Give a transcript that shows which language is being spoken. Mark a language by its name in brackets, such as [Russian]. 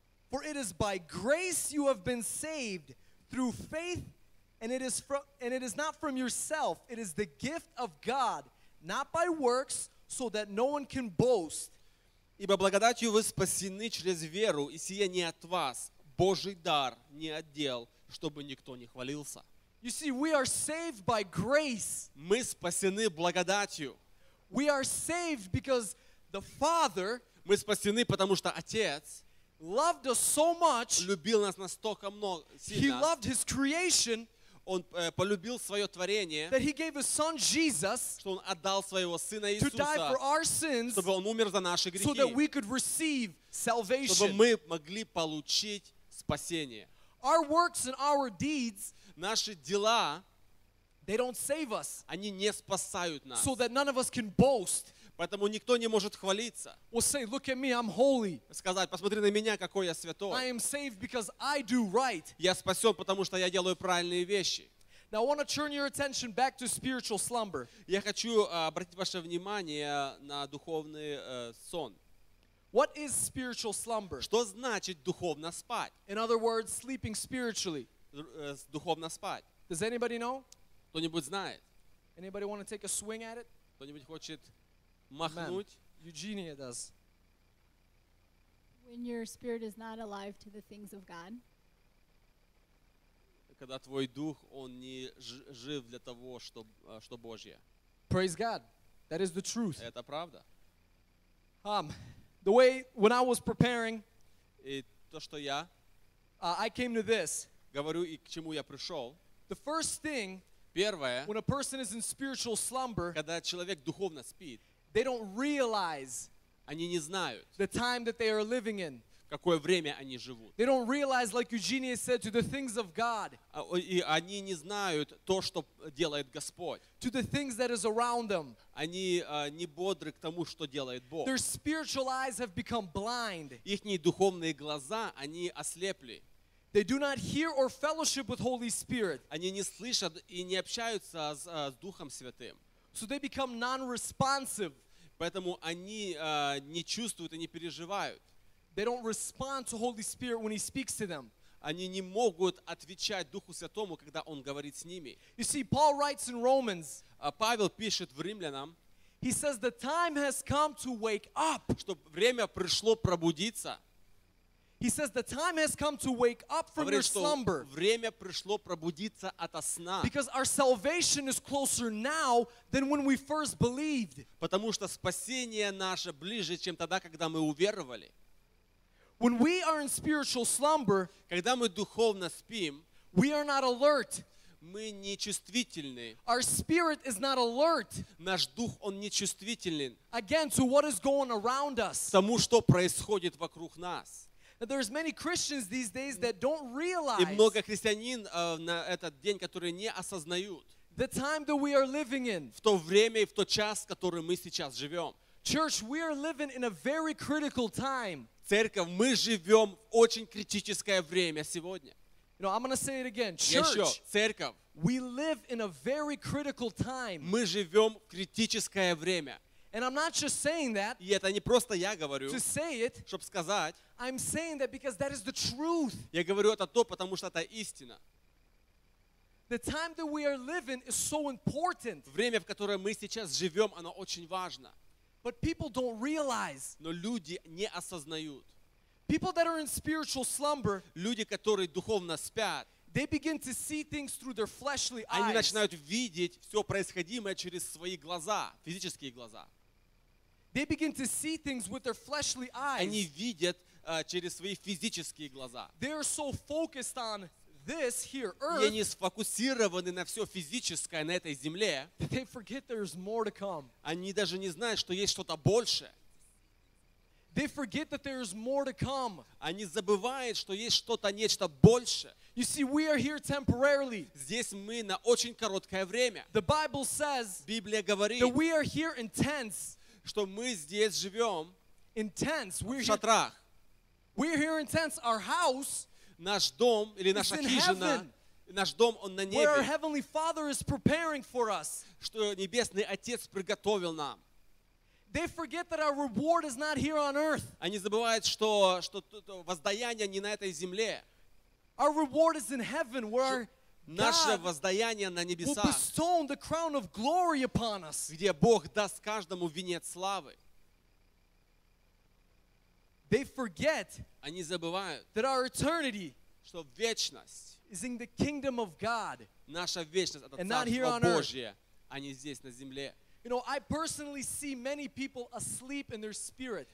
[English] For it is by grace you have been saved through faith, and it is not from yourself. It is the gift of God, not by works, so that no one can boast. [Russian] Ибо благодатью вы спасены через веру, и сие не от вас, Божий дар, не от дел, чтобы никто не хвалился. [English] You see, we are saved by grace. [Russian] Мы спасены благодатью. [English] We are saved because the Father. [Russian] Мы спасены потому что Отец. [English] Loved us so much. [Russian] Любил нас настолько много. [English] He loved His creation. [Russian] Он полюбил свое творение. [English] That He gave His Son Jesus. [Russian] Что он отдал своего сына Иисуса. [English] To die for our sins. [Russian] Чтобы он умер за наши грехи. [English] So that we could receive salvation. [Russian] Чтобы мы могли получить спасение. [English] Our works and our deeds. [Russian] Наши дела, [English] they don't save us. [Russian] Они не спасают нас. [English] So that none of us can boast. [Russian] Поэтому никто не может хвалиться. [English] We'll say, look at me, I'm holy. [Russian] Сказать, посмотри на меня, какой я святой. [English] I am saved because I do right. [Russian] Я спасен, потому что я делаю правильные вещи. [English] Now I want to turn your attention back to spiritual slumber. [Russian] Я хочу обратить ваше внимание на духовный сон. [English] What is spiritual slumber? [Russian] Что значит духовно спать? [English] In other words, sleeping spiritually. [Russian] Духовно спать. [English] Does anybody know? [Russian] Кто-нибудь знает? [English] Anybody want to take a swing at it? [Russian] Кто-нибудь хочет махнуть? [English] Eugenia does. When your spirit is not alive to the things of God. [Russian] Когда твой дух, он не жив для того, что Божье. [English] Praise God. That is the truth. [Russian] Это правда. [English] The way, when I was preparing, [Russian] и то, что я, [English] I came to this. [Russian] Говорю, и к чему я пришел. [English] The first thing, [Russian] первое, [English] when a person is in spiritual slumber, [Russian] когда человек духовно спит, [English] they don't realize, [Russian] они не знают, [English] the time that they are living in. [Russian] Какое время они живут. [English] They don't realize, like Eugenia said, to the things of God. [Russian] И они не знают то, что делает Господь. [English] To the things that is around them. [Russian] Они не бодры к тому, что делает Бог. [English] Their spiritual eyes have become blind. [Russian] Ихние духовные глаза, они ослепли. [English] They do not hear or fellowship with Holy Spirit. [Russian] Они не слышат и не общаются с Духом Святым. [English] So they become non-responsive. [Russian] Поэтому они не чувствуют и не переживают. [English] They don't respond to Holy Spirit when He speaks to them. [Russian] Они не могут отвечать Духу Святому, когда Он говорит с ними. [English] You see, Paul writes in Romans. [Russian] Павел пишет в Римлянам. [English] He says the time has come to wake up. [Russian] Что время пришло пробудиться. [English] He says the time has come to wake up from your slumber. [Russian] Время пришло пробудиться ото сна. [English] Because our salvation is closer now than when we first believed. [Russian] Потому что спасение наше ближе, чем тогда, когда мы уверовали. [English] When we are in spiritual slumber, [Russian] когда мы духовно спим, [English] we are not alert. [Russian] Мы не чувствительны. [English] Our spirit is not alert. [Russian] Наш дух он не чувствителен. [English] Again, to what is going around us. [Russian] Тому, что происходит вокруг нас. [English] And there's many Christians these days that don't realize. [Russian] И много христианин на этот день, которые не осознают. [English] The time that we are living in. [Russian] В то время и в тот час, в который мы сейчас живем. [English] Church, we are living in a very critical time. [Russian] Церковь, мы живем в очень критическое время сегодня. [English] You know, I'm going to say it again. Church, we live in a very critical time. [Russian] Мы живем в критическое время. [English] And I'm not just saying that. [Russian] И это не просто я говорю. [English] To say it. [Russian] Чтоб сказать. [English] I'm saying that because that is the truth. [Russian] Я говорю это то, потому что это истина. [English] The time that we are living is so important. [Russian] Время, в которое мы сейчас живем, оно очень важно. [English] But people don't realize. [Russian] Но люди не осознают. [English] People that are in spiritual slumber. [Russian] Люди, которые духовно спят. [English] They begin to see things through their fleshly [Russian] они Начинают видеть все происходимое через свои глаза, физические глаза. [English] They begin to see things with their fleshly eyes. [Russian] Они видят через свои физические глаза. [English] They are so focused on this here earth. [Russian] И они сфокусированы на все физическое на этой земле. [English] They forget there's more to come. [Russian] Они даже не знают, что есть что-то большее. [English] They forget that there is more to come. [Russian] Они забывают, что есть что-то, нечто больше. [English] You see, we are here temporarily. [Russian] Здесь мы на очень короткое время. [English] The Bible says. [Russian] Библия говорит. [English] That we are here in tents. [Russian] Что мы здесь живем. [English] In tents. [Russian] В шатрах. [English] We are here in tents. Our house. [Russian] Наш дом или наша хижина. Наш дом, он на небе. [English] Where our heavenly Father is preparing for us. [Russian] Что небесный Отец приготовил нам. [English] They forget that our reward is not here on earth. [Russian] Они забывают, что воздаяние не на этой земле. [English] Our reward is in heaven, where [Russian] наше воздаяние на небесах. [English] Will bestow the crown of glory upon us. [Russian] Где Бог даст каждому венец славы. [English] They forget. [Russian] Они забывают. [English] That our eternity. [Russian] Что вечность. [English] Is in the kingdom of God. [Russian] Наша вечность это царство Божье, а не здесь на земле. [English] You know, I personally see many people asleep in their spirit.